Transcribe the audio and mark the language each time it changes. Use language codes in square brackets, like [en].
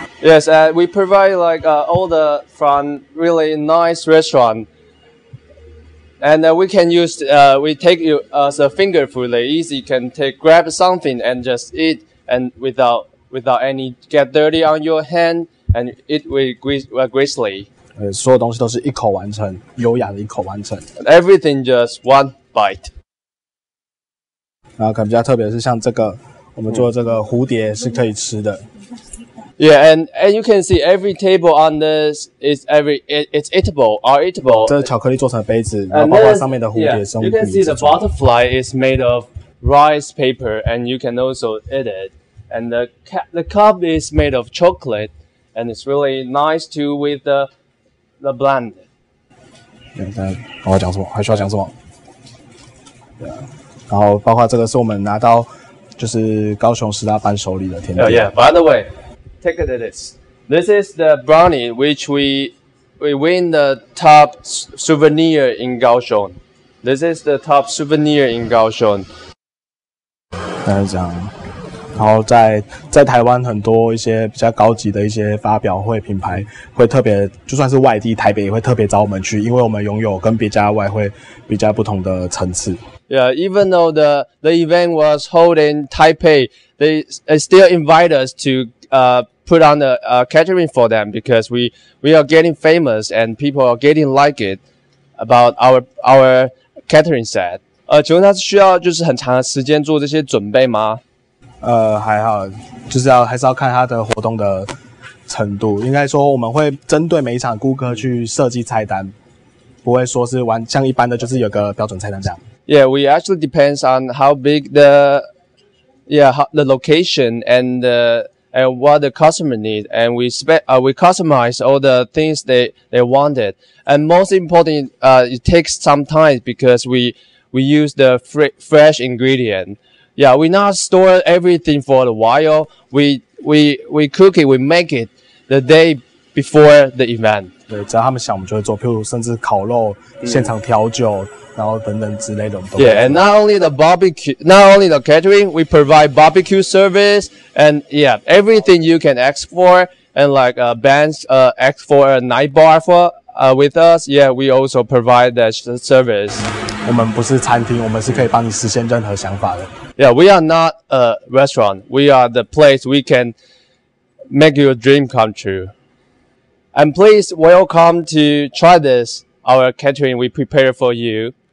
[en] Yes, we provide like all the from really nice restaurant. And we can use, we take you as a finger food, they easy can take, grab something and just eat and without any, get dirty on your hand and eat with gracefully. [zh] 所有东西都是一口完成，优雅的一口完成。 [en] Everything just one bite. [zh] 然后可能比较特别是像这个，我们做的这个蝴蝶是可以吃的。 [en] Yeah, and you can see every table on this is eatable. [zh] 这是巧克力做成的杯子，然后包括上面的蝴蝶生物。 [en] You can see the butterfly is made of rice paper, and you can also eat it. And the cup is made of chocolate, and it's really nice too with the blend. [zh] 我要讲什么？还需要讲什么？对啊，然后包括这个是我们拿到就是高雄十大伴手礼的甜点。 [en] Yeah, by the way. Take it as this. This is the brownie which we win the top souvenir in Kaohsiung. This is the top souvenir in Kaohsiung. [zh] 大概是这样。然后在台湾很多一些比较高级的一些发表会品牌会特别，就算是外地台北也会特别找我们去，因为我们拥有跟别家外汇比较不同的层次。 [en] Yeah, even though the event was held in Taipei, they still invite us to. Put on the catering for them because we are getting famous and people are getting like it about our catering set. [zh] 请问他是需要就是很长的时间做这些准备吗？还好，就是要还是要看他的活动的程度。应该说我们会针对每一场顾客去设计菜单，不会说是玩像一般的就是有个标准菜单这样。 [en] Yeah, we actually depends on how big the location and what the customer need, and we customize all the things they wanted. And most important, it takes some time because we use the fresh ingredient. Yeah, we not store everything for a while. We cook it, we make it the day before the event. [zh] 对，只要他们想，我们就会做。譬如甚至烤肉、现场调酒，然后等等之类的。 [en] Yeah, and not only the barbecue, not only the catering, we provide barbecue service, and yeah, everything you can ask for, and like bands, ask for a night bar for with us. Yeah, we also provide that service. [zh] 我们不是餐厅，我们是可以帮你实现任何想法的。 [en] Yeah, we are not a restaurant. We are the place we can make your dream come true. And please welcome to try this, our catering we prepare for you.